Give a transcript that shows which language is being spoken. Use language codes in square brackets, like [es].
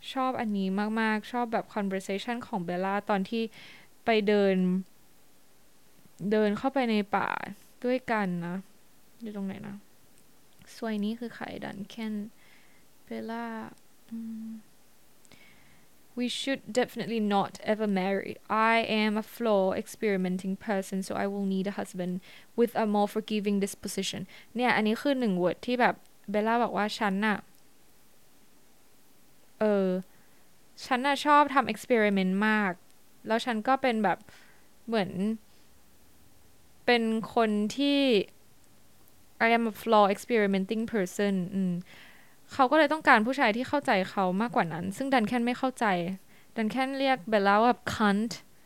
[th] บอันนี้มากๆชอบแบบ conversation ของเบลล่าตอนที่ไปเดินเข้าไปในป่าด้วยกันนะอยู่ตรงไหนนะสวยนี้คือใครดันเคนเบลล่า [en] We should definitely not ever marry. I am a flawed experimenting person so I will need a husband with a more forgiving disposition. [th] เนี่ยอันนี้คือหนึ่ง word ที่แบบเบลล่าบอกว่าฉันน่ะฉันน่ะชอบทำเอ็กซ์เพอริเมนต์มากแล้วฉันก็เป็นแบบเหมือนเป็นคนที่ [en] I am a flawed experimenting person [th] เขาก็เลยต้องการผู้ชายที่เข้าใจเขามากกว่านั้นซึ่งดันแค่ไม่เข้าใจดันแค่เรียกเบลล่าว่าคันต์